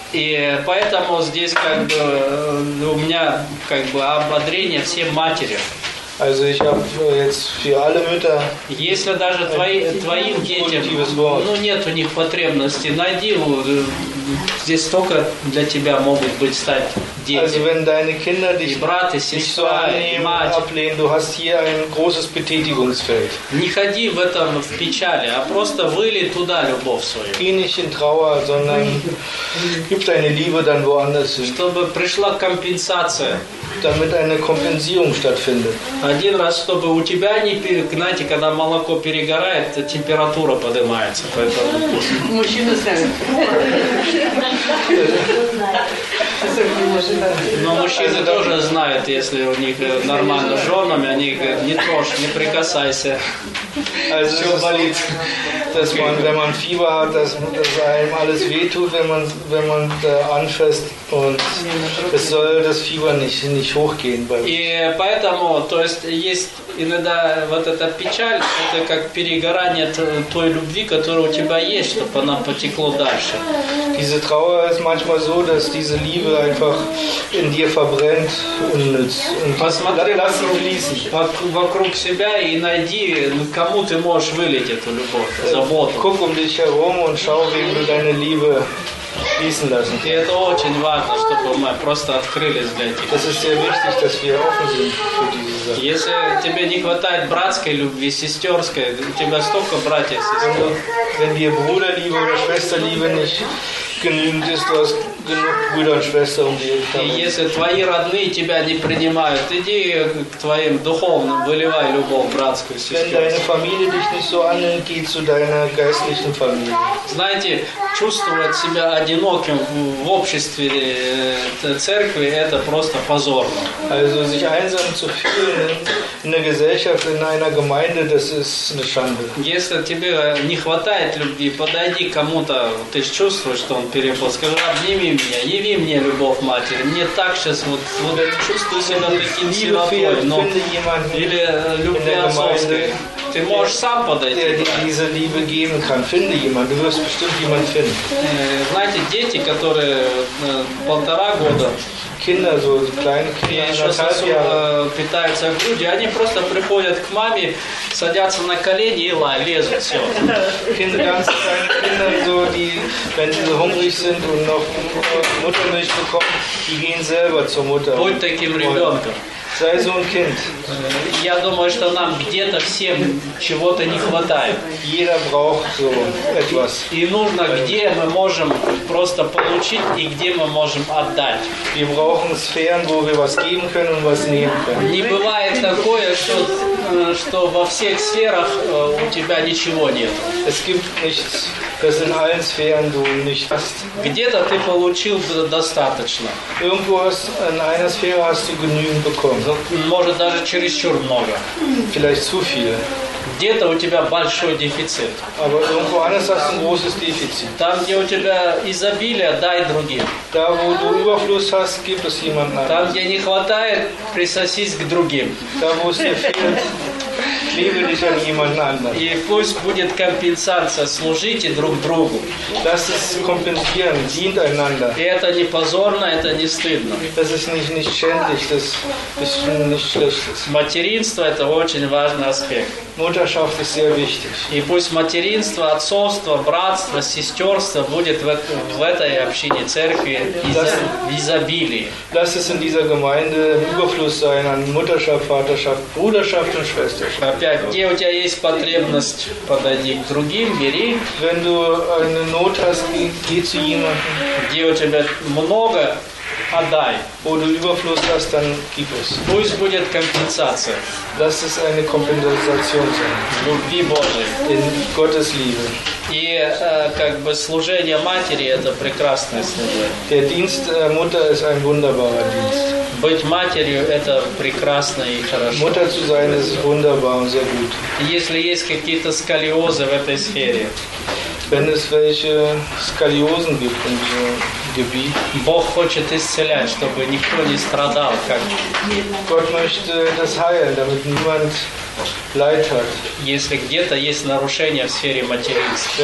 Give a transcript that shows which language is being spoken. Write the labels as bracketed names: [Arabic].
[Russian] И поэтому здесь как бы у меня как бы ободрение всем матерям. [German] Also ich habe jetzt für alle Mütter. [Russian] Если даже твоим детям, ну нет у них потребности, найди, здесь столько для тебя могут быть стать дети. [German] Also wenn deine Kinder dich [Russian] брат, сестра, мать, [German] ablehnen, du hast hier ein großes Betätigungsfeld. [Russian] Не ходи в этом в печали, а просто вылей туда любовь свою. [German] Geh nicht in Trauer, sondern gib deine Liebe dann woanders hin. [Russian] Чтобы пришла компенсация. [German] Damit eine Kompensierung stattfindet. [Russian] Один раз, чтобы у тебя не перегнать, когда молоко перегорает, температура поднимается. Мужчина сам. Но мужчины тоже знают, если у них нормально с женами, они говорят, не трожь, не прикасайся. Все болит. Если [German] man Fieber hat, dass einem alles wehtut, wenn man anfasst, und es soll das Fieber nicht hochgehen bei uns. [Russian] И поэтому, то есть, есть иногда вот эта печаль, это как перегорание той любви, которая у тебя есть, чтобы она потекла дальше. [German] Diese Trauer ist manchmal so, dass diese Liebe einfach in dir verbrennt unnütz. [Russian] Посмотри, [German] lass sie fließen. [Russian] Вокруг себя и найди, кому ты можешь вылить эту любовь, заботу. [German] Guck um dich herum und schau, wem du deine Liebe fließen lassen. [Russian] И это очень важно, чтобы мы просто открылись для этих. [German] Das ist sehr wichtig, dass wir offen sind für diese Sache. [Russian] Если тебе не хватает братской любви, сестерской, у тебя столько братьев, сестер. [German] Wenn dir Bruderliebe oder Schwesterliebe nicht genügend ist, du hast genug Brüder und Schwestern um dir. [Russian] И если твои родные тебя не принимают, иди к твоим духовным, выливай любовь братскую, сестерскую. [German] Wenn deine Familie dich nicht so annimmt, geh zu deiner geistlichen Familie. [Russian] Знаете, чувствовать себя одиноким в обществе церкви, это просто позорно. [German] Also sich einsam zu fühlen in der Gesellschaft, in einer Gemeinde, das ist eine Schande. [Russian] Если тебе не хватает любви, подойди к кому-то, ты чувствуешь, что он перепал. Скажи, обними меня, яви мне любовь матери. Мне так сейчас вот это чувство себя таким сиротой. Но... Или любви отцовской. Ты можешь сам подойти. [German] Diese Liebe geben kann. Finde jemand. Du wirst bestimmt jemand finden. [Russian] Знаете, дети, которые полтора года [German] Kinder, so kleine Kinder, [Russian] еще сосуд питаются в груди, они просто приходят к маме, садятся на колени и лезут все. [German] Kinder, ganz kleine Kinder, so die, wenn sie hungrig sind und noch Muttermilch bekommen, die gehen selber zur Mutter. [Russian] Будь таким ребенком. [German] Sei so ein Kind. [Russian] Я думаю, что нам где-то всем чего-то не хватает. [German] Jeder braucht so etwas. [Russian] И нужно, где мы можем просто получить и где мы можем отдать. [German] Wir brauchen Sphären, wo wir was geben können und was nehmen können. [Russian] Не бывает такое, что во всех сферах у тебя ничего нет. [German] Es gibt nichts, dass in allen Sphären du nicht hast. [Russian] Где-то ты получил достаточно. [German] Irgendwo hast, in einer Sphäre hast du genügend bekommen. [Russian] Может, даже чересчур много. [German] Vielleicht zu viel. [Russian] Где-то у тебя большой дефицит. [German] Aber irgendwo anders hast du ein großes Defizit. [Russian] Там, где у тебя изобилие, дай другим. [German] Da, wo du Überfluss hast, gib es jemand anderem. [Russian] Там, где не хватает, присосись к другим. [German] Da, wo es dir fehlt, liebe dich an jemand anderem. [Russian] И пусть будет компенсация, служите друг другу. [German] Das ist kompensieren, dient einander. [Russian] И это не позорно, это не стыдно. [German] Das ist nicht schändlich, das ist nicht schlecht. [Russian] Материнство – это очень важный аспект. [German] Mutterschaft ist sehr wichtig. [Russian] И пусть материнство, отцовство, братство, сестерство будет в этой общине церкви в изобилии. [German] Lass es in dieser Gemeinde Überfluss sein an Mutterschaft, Vaterschaft, Bruderschaft und Schwesterschaft. [Russian] Опять, где у тебя есть потребность, подойди к другим, бери. [German] Wenn du eine Not hast, geh zu jemandem. [Russian] Где у тебя много, отдай. [German] Wo du Überfluss hast, dann gib es. [Russian] Пусть будет компенсация. [German] Das ist eine Kompensation. [Russian] Любви Божией. [German] In Gottes Liebe. [Russian] И как бы служение матери – это прекрасное служение. [German] Der Dienst Mutter ist ein wunderbarer Dienst. [Russian] Быть матерью – это прекрасно и хорошо. [German] Mutter zu sein ist wunderbar und sehr gut. [Russian] Если есть какие-то сколиозы в этой сфере. [German] Wenn es welche Skoliosen gibt in diesem Gebiet. [Russian] Бог хочет исцелять, чтобы никто не страдал. Как... [German] Gott möchte das heilen, damit niemand leid hat. [Russian] Если где-то есть нарушение в сфере материнства.